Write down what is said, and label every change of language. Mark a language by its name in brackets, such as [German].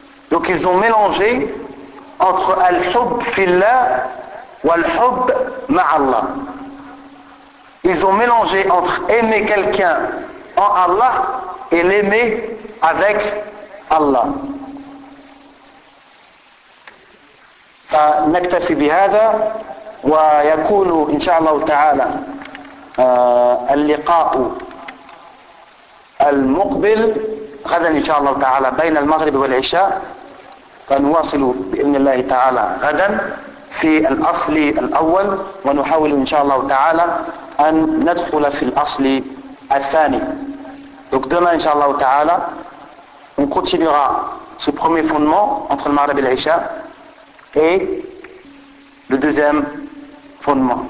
[French] Donc ils ont mélangé entre al-hubb fillah et al-hubb ma'allah. Ils ont mélangé entre aimer quelqu'un en Allah et l'aimer avec Allah. [Arabic] فنكتفي بهذا ويكون إن شاء الله تعالى اللقاء المقبل غدا إن شاء الله تعالى بين المغرب والعشاء، فنواصل بإذن الله تعالى غدا في الأصل الأول، ونحاول إن شاء الله تعالى أن ندخل في الأصل الثاني. [French] Donc demain, inshallah wa ta'ala, on continuera ce premier fondement entre le Maghrib et l'Isha et le deuxième fondement.